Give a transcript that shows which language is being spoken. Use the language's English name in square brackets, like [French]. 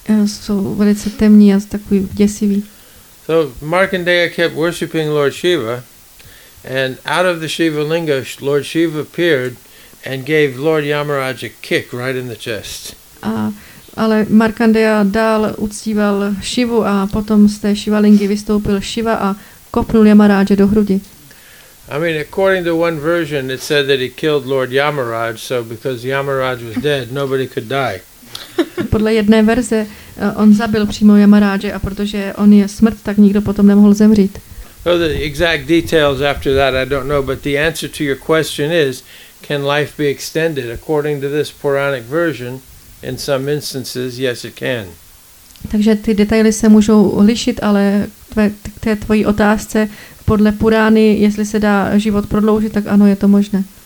[Czech] Jsou velice temní a takový děsivý. [English] So Markandeya kept worshiping Lord Shiva, and out of the Shiva Linga, Lord Shiva appeared and gave Lord Yamaraj a kick right in the chest. [Czech] Ale Markandeya dál uctíval Shivu a potom z té Shivalingy vystoupil Shiva a kopnul Yamaraja do hrudi. [English] I mean, according to one version, it said that he killed Lord Yamaraj, so because Yamaraj was dead, nobody could die. [Czech] Podle jedné verze, on zabil přímo Yamaraja a protože on je smrt, tak nikdo potom nemohl zemřít. [English] So the exact details after that, I don't know, but the answer to your question is, can life be extended according to this Puranic version? In some instances, yes, it can. [Czech] Takže ty detaily se můžou lišit, ale k té tvojí otázce podle Purány, jestli se dá život prodloužit, tak ano, je to možné.